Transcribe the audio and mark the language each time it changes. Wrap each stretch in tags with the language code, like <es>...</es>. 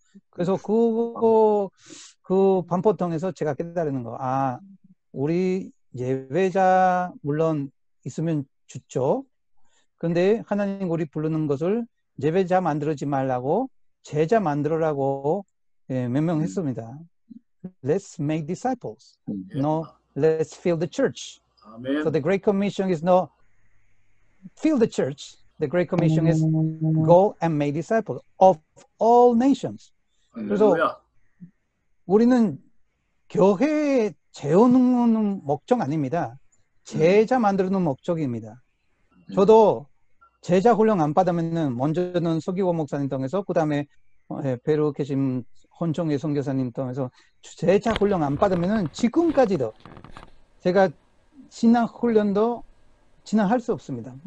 <ko>그래서 그 반포 통해서 제가 깨달은 거, 아, 우리 예배자 물론 있으면 좋죠. 그런데 하나님 우리 부르는 것을 예배자 만들지 말라고 제자 만들어라고 몇 명 했습니다.</ko> <en>Let's make disciples. No, let's fill the church. Amen. So the Great Commission is not fill the church. The Great Commission is go and make disciples of all nations.</en> <ko>그래서 우리는 교회 재우는 목적 아닙니다. 제자 만드는 목적입니다. 저도 제자 훈련 안 받으면 먼저는 서기호 목사님 통해서 그 다음에 페루 계신 헌총의 선교사님 통해서 제자 훈련 안 받으면 지금까지도 제가 신앙 훈련도 진행할 수 없습니다.</ko>